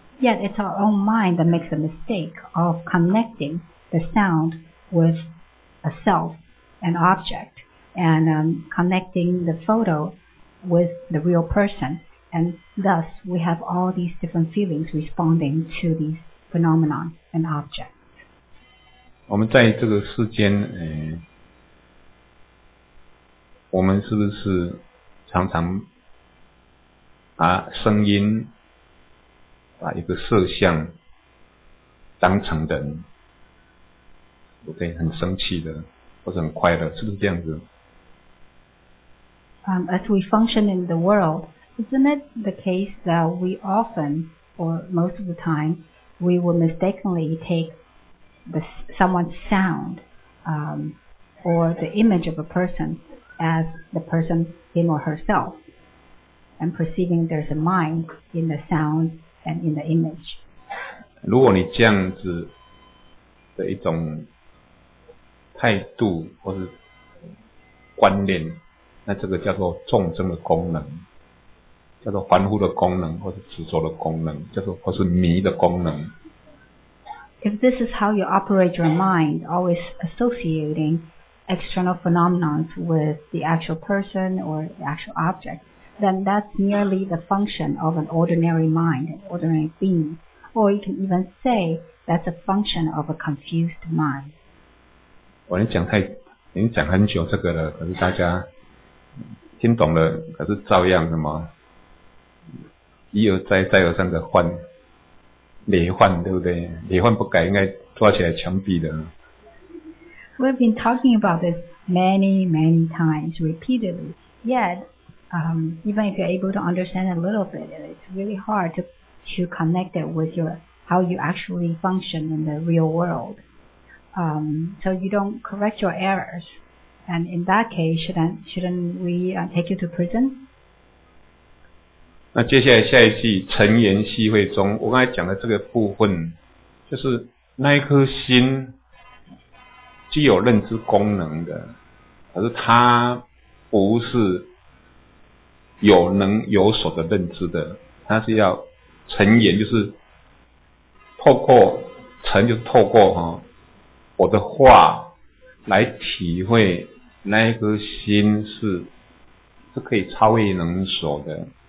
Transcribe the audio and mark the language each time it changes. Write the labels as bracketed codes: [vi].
[en] Yet it's our own mind that makes the mistake of connecting the sound with a self, an object, and connecting the photo with the real person. And thus, we have all these different feelings responding to these phenomena and objects. [zh] 我们在这个世间，我们是不是常常把声音，把一个色相当成人 ？OK， 很生气的，或者很快乐，是不是这样子？ [en] As we function in the world. Isn't it the case that we often, or most of the time, we will mistakenly take someone's sound, or the image of a person as the person him or herself, and perceiving there's a mind in the sound and in the image? [zh] 如果你这样子的一种态度或是观念，那这个叫做众生的功能。叫做凡夫的功能，或是执着的功能，叫做或是迷的功能。 [en] If this is how you operate your mind, always associating external phenomena with the actual person or the actual object, then that's merely the function of an ordinary mind, an ordinary being. Or you can even say that's a function of a confused mind. [zh] 我已经讲很久这个了，可是大家听懂了，可是照样什么？一而再，再而三的换，累换，对不对？累换不改，应该抓起来枪毙的。 [en] We've been talking about this many, many times, repeatedly. Yet, even if you're able to understand a little bit, it's really hard to connect it with how you actually function in the real world. So you don't correct your errors. And in that case, shouldn't we take you to prison? [zh] 那接下来下一句尘缘细会中，我刚才讲的这个部分，就是那一颗心具有认知功能的，可是它不是有能有所的认知的，它是要尘缘，就是透过尘，就是透过我的话来体会那一颗心是可以超越能所的。